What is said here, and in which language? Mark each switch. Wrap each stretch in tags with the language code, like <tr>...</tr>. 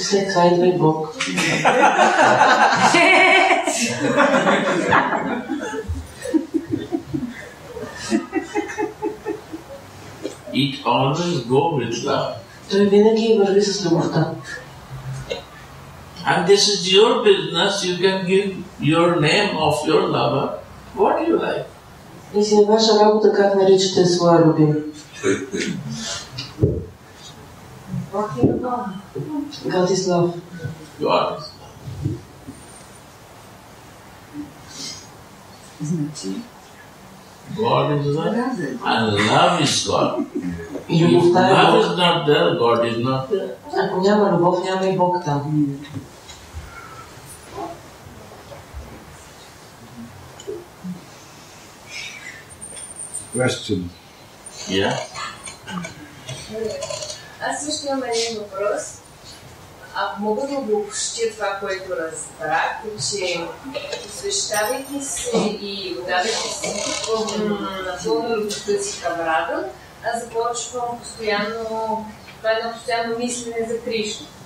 <bg>И след това идва и Бог.</bg> <en>It always goes with love.</en> <bg>Той винаги върви с любовта.</bg> <en>And this is your business. You can give your name of your lover. What do you like?</en> <bg>И си на ваша работа как наричате своя любим.</bg> <en>God is love. You are. God is love. And love is God. If love is not there, God is not there.</en> <bg>Ако няма любов, няма и Бог там.</bg> <en>Question. Yeah.</en> <bg>Аз също имам един въпрос. Ако мога да обобщя това, което разбрах, че освещавайки се и отдавайки се на пълно любовта си към Радо, аз започвам постоянно, това е едно постоянно мислене за Кришна.</bg>